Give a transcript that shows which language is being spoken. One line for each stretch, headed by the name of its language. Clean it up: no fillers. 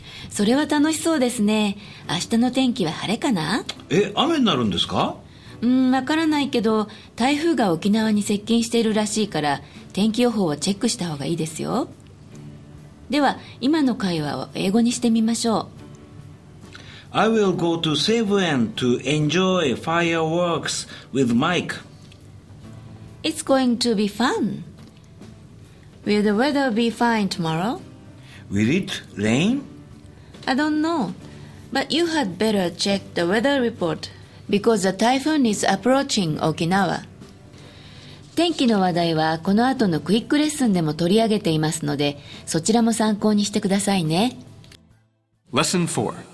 Japanese: それは楽しそうですね。明日の天気は晴れかな。え、雨になるんですか。わからないけど、台風が沖縄に接近しているらしいから天気予報はチェックした方がいいですよ。では今の会話を英語にしてみましょう。
English: I will go to 西武園 to enjoy fireworks with Mike. It's going to be funWill the weather be fine tomorrow? Will it rain? I don't know. But you had better check the weather report because the typhoon is approaching Okinawa.
Japanese: 天気の話題はこの後のクイックレッスンでも取り上げていますので、そちらも参考にしてくださいね。
English: Lesson 4